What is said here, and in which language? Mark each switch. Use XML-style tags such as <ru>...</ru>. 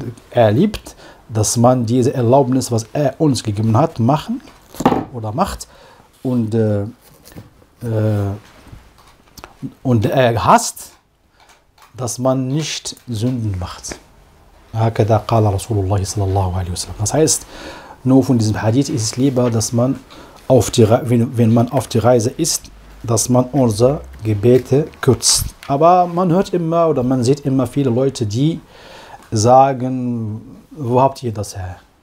<de>Er liebt, dass man diese Erlaubnis, was er uns gegeben hat, machen oder macht und er hasst, dass man nicht Sünden macht.</de> <ar>هكذا قال رسول الله صلى الله عليه وسلم.</ar> <de>Das heißt, nur von diesem Hadith ist es lieber, dass man auf die wenn man auf die Reise ist, dass man unsere Gebete kürzt. Aber man hört immer oder man sieht immer viele Leute, die sagen, wo habt ihr das her?</de>